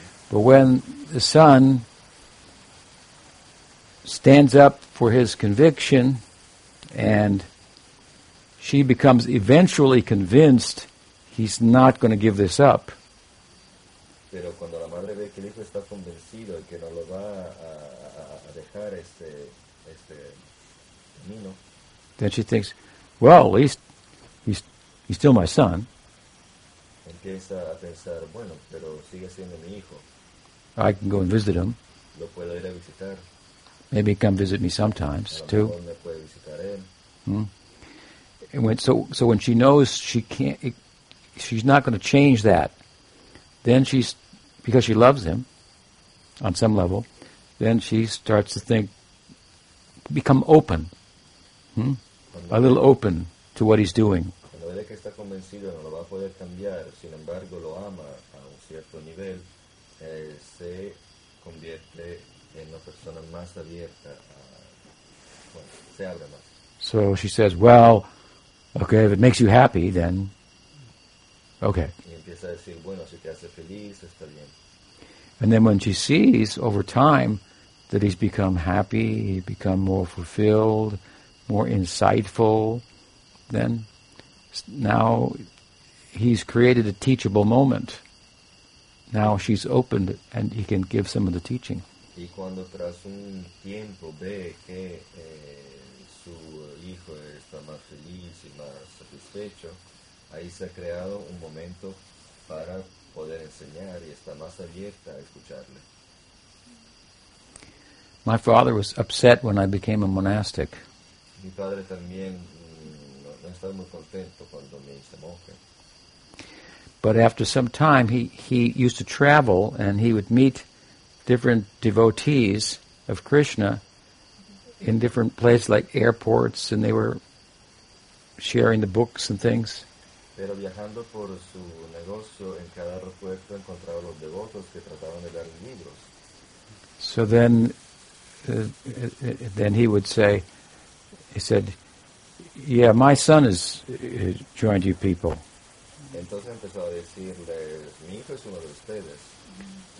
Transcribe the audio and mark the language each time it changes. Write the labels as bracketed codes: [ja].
[en] But when the son stands up for his conviction and she becomes eventually convinced he's not going to give this up. [es] Pero cuando la madre ve que el hijo está convencido y que no lo va a dejar este camino, [en] then she thinks, well, at least he's still my son. [es] Empieza a pensar, bueno, pero sigue siendo mi hijo. [en] I can go and visit him. [es] Lo puedo ir a visitar. [en] Maybe come visit me sometimes, too. [es] Me puede visitar él. Hmm? [en] And so when she knows she can't, she's not going to change that, then she's, because she loves him on some level, then she starts to think, become open. A little open to what he's doing. [es] Cuando ve que está convencido, no lo va a poder cambiar, sin embargo, lo ama a un cierto nivel, se convierte en una persona más abierta, se abre más. [en] So she says, well, okay, if it makes you happy, then, okay. [es] Y empieza a decir, bueno, si te hace feliz, está bien. [en] And then when she sees, over time, that he's become happy, he's become more fulfilled, more insightful, then now he's created a teachable moment. Now she's opened and he can give some of the teaching. [es] Y cuando tras un tiempo ve que su hijo está más feliz y más satisfecho, ahí se ha creado un momento para poder enseñar y está más abierta a escucharle. [en] My father was upset when I became a monastic. [es] Mi padre también no estaba muy contento cuando me hice monje. [en] But after some time, he used to travel and he would meet different devotees of Krishna in different places like airports, and they were sharing the books and things. [es] Pero viajando por su negocio, en cada aeropuerto encontraba los devotos que trataban de dar libros. [en] So then he would say, he said, "Yeah, my son has joined you people." [es] Entonces empezó a decirle, "Mi hijo es uno de ustedes."